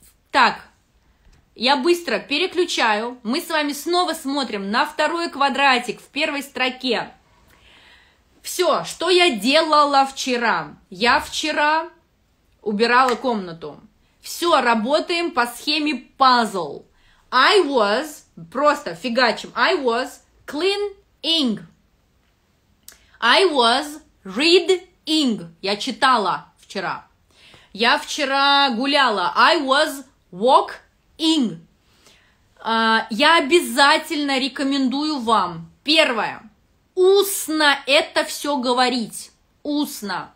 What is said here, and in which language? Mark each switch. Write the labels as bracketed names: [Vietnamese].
[Russian] Так, я быстро переключаю. Мы с вами снова смотрим на второй квадратик в первой строке. Все, что я делала вчера? Я вчера убирала комнату. Все, работаем по схеме пазл. [English] I was, [Russian] просто фигачим, [English] I was cleaning. I was reading. [Russian] Я читала вчера. Я вчера гуляла. [English] I was walking. [Russian] Я обязательно рекомендую вам, первое, устно это все говорить, устно.